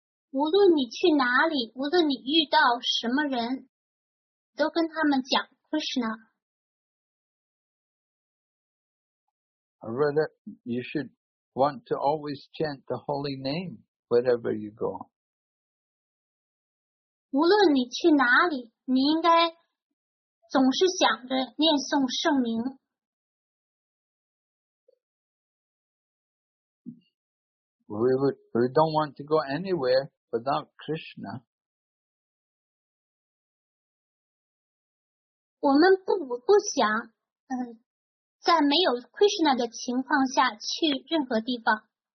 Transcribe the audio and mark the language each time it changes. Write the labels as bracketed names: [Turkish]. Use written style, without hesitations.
[Chinese] 无论你去哪里，无论你遇到什么人，都跟他们讲 Krishna. [English] Or rather, you should want to always chant the holy name wherever you go. [Chinese] 无论你去哪里，你应该总是想着念诵圣名。 [English] We don't want to go anywhere without Krishna. [Chinese] 我们不想在没有 Krishna 的情况下去任何地方。